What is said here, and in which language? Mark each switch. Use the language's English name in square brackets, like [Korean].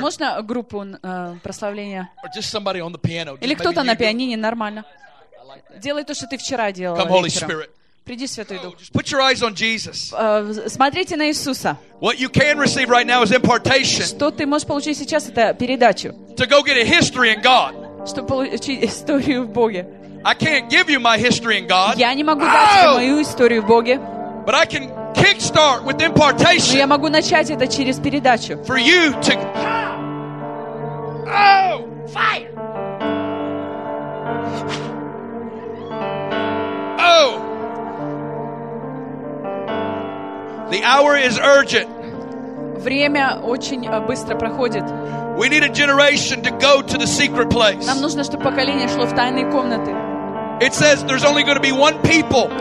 [Russian] Можно группу прославления. [English] Or just somebody on the piano. [Russian] Или кто-то на пианине нормально. Делай то, что ты вчера делал. [English] Come, Holy Spirit. [Russian] Приди, Святой Дух. [English] Put your eyes on Jesus. [Russian] Смотрите на Иисуса. [English] What you can receive right now is impartation. [Russian] Что ты можешь получить сейчас, это передачу. [English] To go get a history in God. [Russian] Чтобы получить историю в Боге. [English] I can't give you my history in God. [Russian] Я не могу дать тебе мою историю в Боге. [English] But I can kickstart with impartation. [Russian] Но я могу начать это через передачу. [English] For you to. Oh, fire! Oh, the hour is urgent. [Russian] Время очень быстро проходит. [English] We need a generation to go to the secret place. [Russian] Нам нужно, чтобы поколение шло в тайные комнаты. [English] It says there's only going to be one people.